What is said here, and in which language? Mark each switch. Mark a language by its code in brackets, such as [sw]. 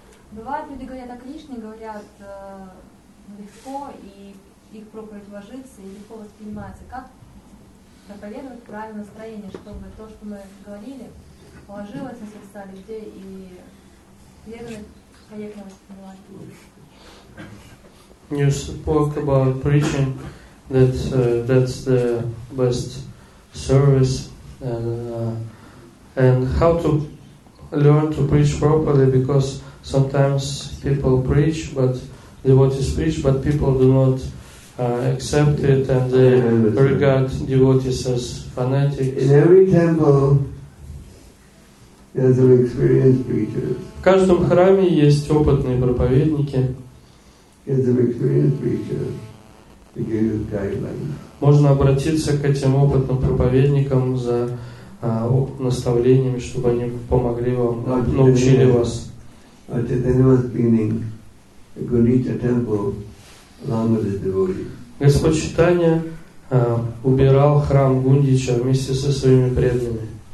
[ru] Бывают люди говорят о Кришне, говорят легко, и их проповедь ложится и легко воспринимается. Как проповедовать правильное настроение, чтобы то, что мы говорили, положилось на сердца людей и верно воспринимать? [en] You spoke about preaching that that's the best service and how to learn to preach properly, because sometimes people preach, but devotees preach, but people do not accept it, and they regard devotees as fanatics. In every temple, there's an experienced preacher. [ru] В каждом храме есть опытные проповедники. [en] There's an experienced preacher to give you guidelines. [ru] Можно обратиться к этим опытным проповедникам за наставлениями, чтобы они помогли вам, научили вас. [en] Or Chaitanya was cleaning a Gunita temple along with his devotees. [ru] Господь Читания убирал храм Гундича вместе со своими преданными.